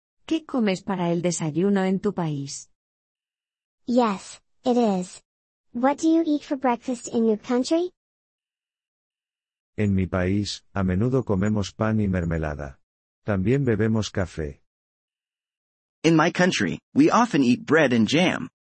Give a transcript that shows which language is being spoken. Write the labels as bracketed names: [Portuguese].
[Spanish] ¿Qué comes para el desayuno en tu país? [English] Yes, it is. What do you eat for breakfast in your country? [Spanish] En mi país, a menudo comemos pan y mermelada. También bebemos café. [English] In my country, we often eat bread and jam.